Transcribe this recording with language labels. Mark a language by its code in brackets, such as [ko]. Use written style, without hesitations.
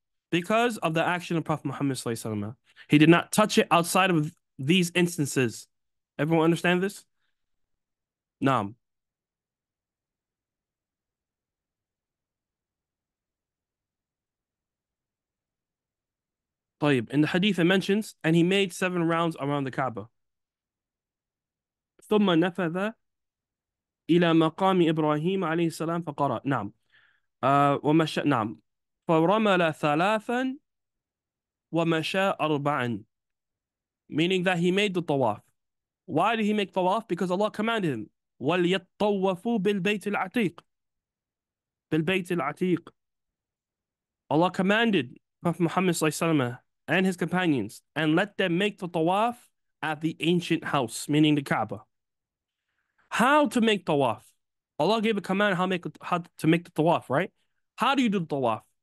[en] Because of the action of Prophet Muhammad Sallallahu Alaihi Wasallam. He did not touch it outside of these instances. Everyone understand this? Naam. [ar] طيب, [en] in the hadith it mentions, and he made seven rounds around the Kaaba. [ar] ثُمَّ نَفَذَ إِلَى مَقَامِ إِبْرَاهِيمَ عَلَيْهِ السَّلَامِ فَقَرَأْ نَعْمْ وَمَشَأْ نَعْمْ فَرَمَلَ ثَلَاثًا وَمَشَأْ أَرْبَعًا, [en] meaning that he made the tawaf. Why did he make tawaf? Because Allah commanded him, [ar] وَلْيَطَّوَّفُوا بِالْبَيْتِ الْعَتِيقِ بِالْبَيْتِ الْعَتِيقِ. [en] Allah commanded Prophet Muhammad sallallahu alaihi wasallam and his companions, and let them make the tawaf at the ancient house, meaning the Kaaba. How to make tawaf? Allah gave a command how to make the tawaf, right? How do you do the tawaf?